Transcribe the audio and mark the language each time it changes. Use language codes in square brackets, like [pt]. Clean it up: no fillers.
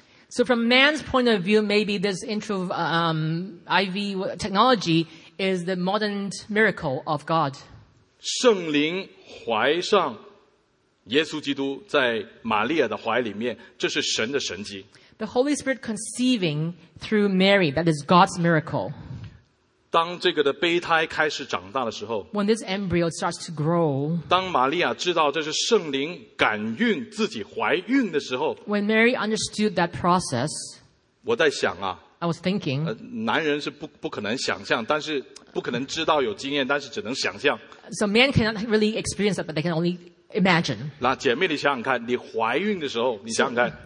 [en] So from man's point of view, maybe this IV technology is the modern miracle of God. [zh] 圣灵怀上耶稣基督在玛利亚的怀里面，这是神的神迹。 [en] The Holy Spirit conceiving through Mary, that is God's miracle. [zh] 当这个的胚胎开始长大的时候 [en] ，When this embryo starts to grow， [zh] 当玛利亚知道这是圣灵感孕自己怀孕的时候 [en] ，When Mary understood that process， [zh] 我在想啊 [en] ，I was thinking， [zh] 男人是不可能想象，但是不可能知道有经验，但是只能想象。 [en] So men cannot really experience that， but they can only imagine。 [zh] 那姐妹，你想想看，你怀孕的时候，你想想看。